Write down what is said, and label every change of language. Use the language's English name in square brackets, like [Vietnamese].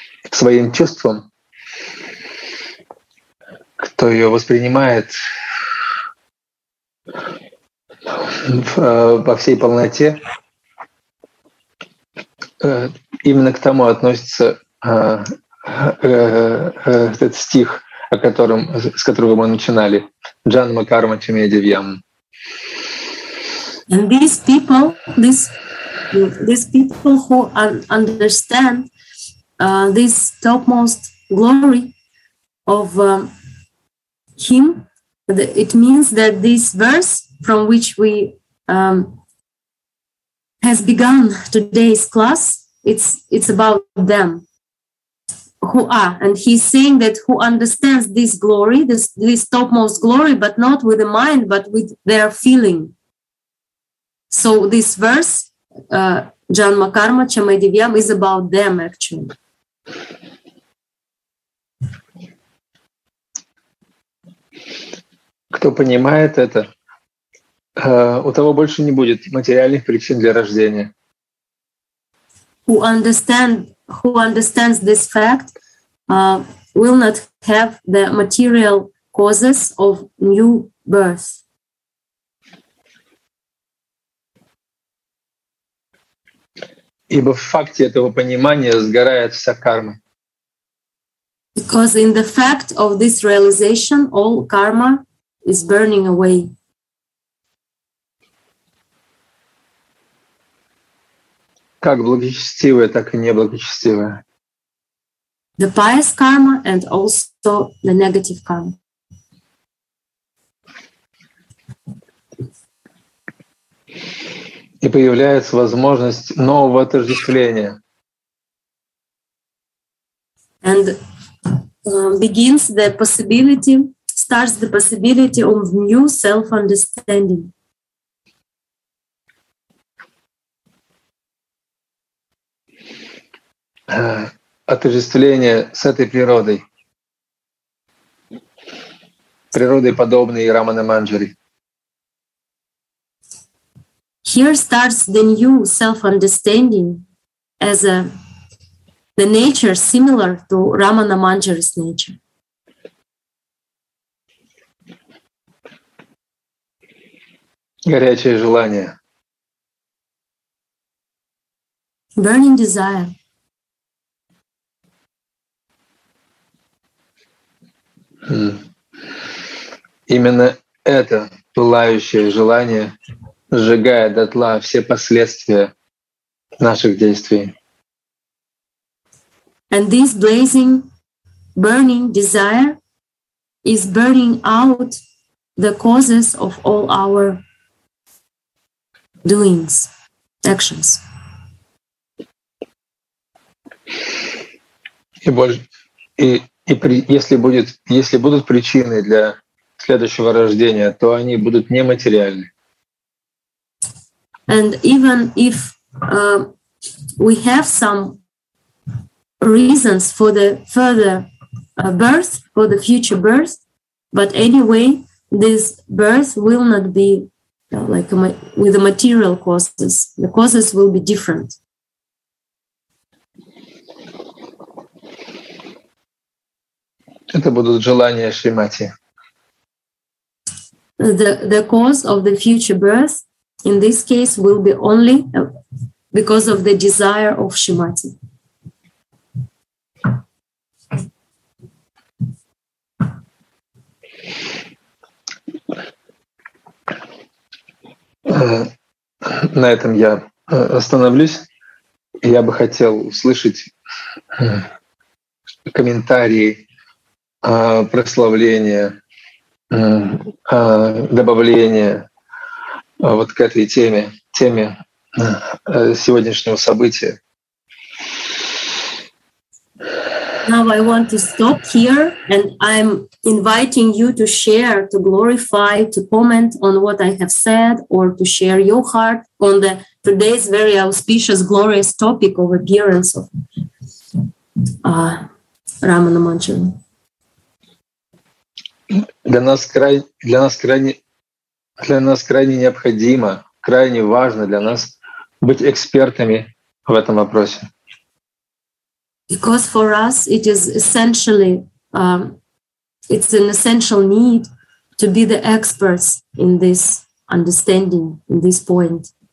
[Russian] своим чувством, кто ее воспринимает во всей полноте, именно к тому относится этот стих, с которого мы начинали. [Sanskrit] Джанма карма чаме дивьям. [English] And these people who understand this topmost glory of him, it means that this verse from which we has begun today's class, it's about them. Who are, and he's saying that who understands this glory, this topmost glory, but not with the mind, but with their feeling. So this verse, [Sanskrit] Janma Karma Chame Divyam, [English] is about them actually. [Russian] Кто понимает это, у того больше не будет материальных причин для рождения. [English] Who understands this fact will not have the material causes of new birth. [Russian] Ибо в факте этого понимания сгорает вся карма. [English] Because in the fact of this realization, all karma is burning away. [Russian] Как благочестивая, так и неблагочестивая. [English] The pious karma and also the negative karma. [Russian] И появляется возможность нового отождествления. [English] And begins the possibility, starts the possibility of new self-understanding. [Russian] Отождествление с этой природой, природой, подобной Рамана Манджари. [English] Here starts the new self-understanding as the nature similar to Ramana Manjari's nature. [Russian] Горячее желание. [English] Burning desire. [Russian] Именно это пылающее желание сжигает дотла все последствия наших действий. [English] And this blazing, burning desire is burning out the causes of all our doings, actions. [Russian] Если будут причины для следующего рождения, то они будут нематериальны. [English] And even if we have some reasons for the further birth, for the future birth, but anyway, this birth will not be with the material causes. The causes will be different. [Russian] Это будут желания Шримати. [English] The cause of the future birth in this case will be only because of the desire of Shrimati. [Russian] На этом я остановлюсь. Я бы хотел услышать комментарии, прославление, добавление вот к этой теме сегодняшнего события. [English] Now I want to stop here, and I'm inviting you to share, to glorify, to comment on what I have said, or to share your heart on the today's very auspicious, glorious topic of appearance of Рамана Манджари. [Russian] Для нас крайне необходимо, крайне важно для нас быть экспертами в этом вопросе. [English] Because for us it is essentially it's an essential need to be the experts in this understanding, in this point.